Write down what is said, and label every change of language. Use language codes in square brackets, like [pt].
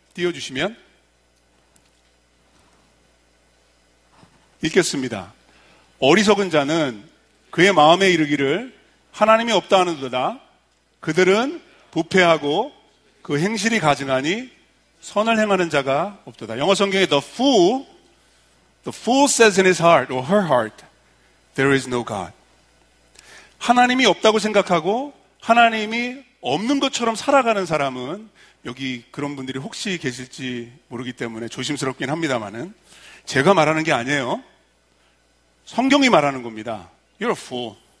[ko] 띄워주시면 읽겠습니다. 어리석은 자는 그의 마음에 이르기를 하나님이 없다 하는도다. 그들은 부패하고 그 행실이 가증하니 선을 행하는 자가 없도다. 영어 성경에 [en] the fool says in his heart or her heart there is no God. [ko] 하나님이 없다고 생각하고 하나님이 없는 것처럼 살아가는 사람은 여기 그런 분들이 혹시 계실지 모르기 때문에 조심스럽긴 합니다만은 제가 말하는 게 아니에요. 성경이 말하는 겁니다. [en] You're a fool.